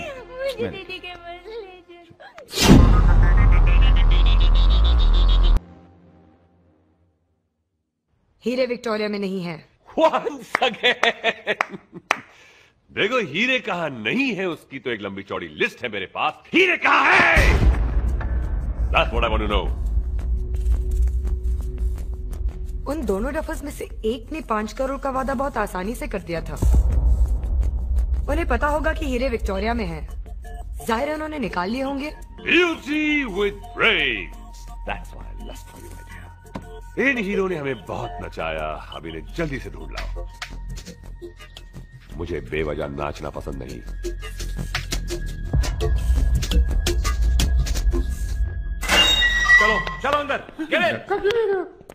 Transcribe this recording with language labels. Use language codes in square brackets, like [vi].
[hi] हूँ। मुझे दीदी के पास ले जाना। हीरे विक्टोरिया में नहीं है। [en] Once again! [hi] देखो हीरे कहाँ नहीं है उसकी तो एक लंबी चौड़ी लिस्ट है मेरे पास। हीरे कहाँ है? [en] That's what I want to know. [hi] उन दोनों डफर्स में से एक ने 5 करोड़ का वादा बहुत आसानी से कर दिया था। उन्हें पता होगा कि हीरे विक्टोरिया में है, जाहिर है उन्होंने निकाल लिए होंगे। [en] Beauty with brains. That's why I lust for you, my dear. [hi] In hero ने हमें बहुत नचाया, अब इन्हें जल्दी से ढूंढ लाओ। मुझे बेवजह नाचना पसंद नहीं। चलो चलो अंदर।